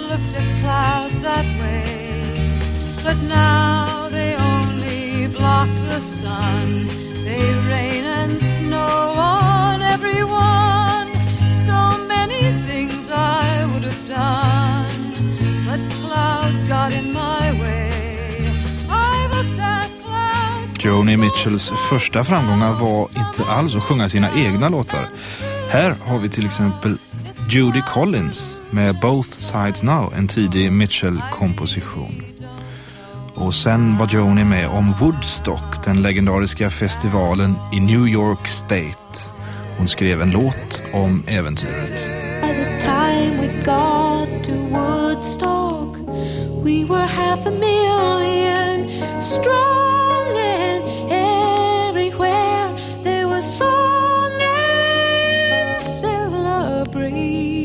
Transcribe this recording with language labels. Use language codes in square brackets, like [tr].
[en] I've looked at clouds that way, but now they only block the sun. They rain and snow on everyone. So many things I would have done, but clouds got in my way. I've looked at clouds. [sv] Joni Mitchells första framgångar var inte alls att sjunga sina egna låtar. Här har vi till exempel Judy Collins med Both Sides Now, en tidig Mitchell-komposition. Och sen var Joni med om Woodstock, den legendariska festivalen i New York State. Hon skrev en låt om äventyret. [en] By the time we got to Woodstock, we were half a million strong, and everywhere there was song and celebration.